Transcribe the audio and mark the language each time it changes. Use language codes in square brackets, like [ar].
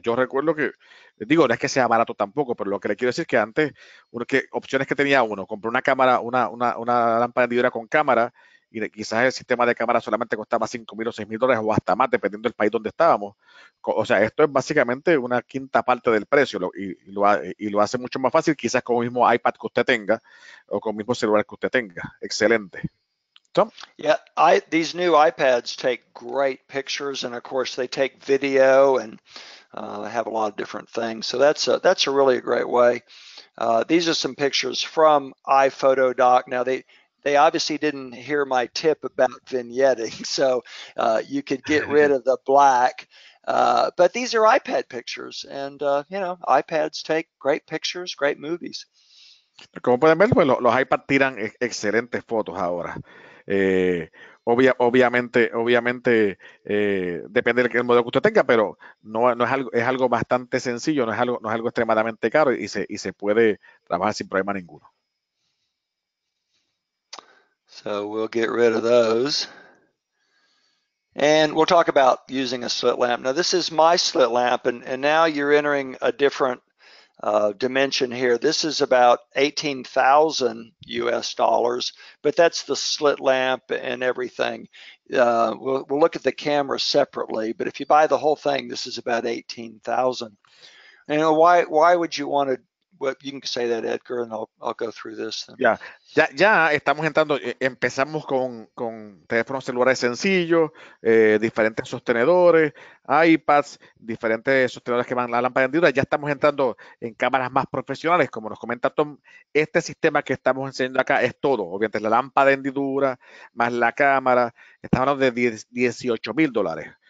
[es] Yo recuerdo que, digo, no es que sea barato tampoco, pero lo que le quiero decir es que antes, opciones que tenía uno, compré una cámara, una lámpara de hendidura con cámara, y quizás el sistema de cámara solamente costaba 5.000 o $6.000 o hasta más, dependiendo del país donde estábamos. O sea, esto es básicamente una quinta parte del precio y lo hace mucho más fácil, quizás con el mismo iPad que usted tenga o con el mismo celular que usted tenga. Excelente. Tom. [en] Yeah, these new iPads take great pictures, and of course they take video, and they have a lot of different things. So that's a really great way. These are some pictures from iPhoto Doc. Now they obviously didn't hear my tip about vignetting, so you could get rid of the black. But these are iPad pictures, and iPads take great pictures, great movies. [es] Como pueden ver, pues los iPads tiran excelentes fotos ahora. Obviamente, depende del modelo que usted tenga, pero no es algo, es algo bastante sencillo, no es algo extremadamente caro y se puede trabajar sin problema ninguno. [en] So we'll get rid of those. And we'll talk about using a slit lamp. Now this is my slit lamp, and now you're entering a different dimension here. This is about $18,000, but that's the slit lamp and everything. We'll look at the camera separately, but if you buy the whole thing, this is about $18,000. And why would you want to? Well, you can say that, Edgar, and I'll go through this then. [es] Ya estamos entrando, empezamos con teléfonos celulares sencillos, diferentes sostenedores, iPads, diferentes sostenedores que van a la lámpara de hendidura. Ya estamos entrando en cámaras más profesionales, como nos comenta Tom, este sistema que estamos enseñando acá es todo, obviamente la lámpara de hendidura más la cámara, estamos hablando de $18.000.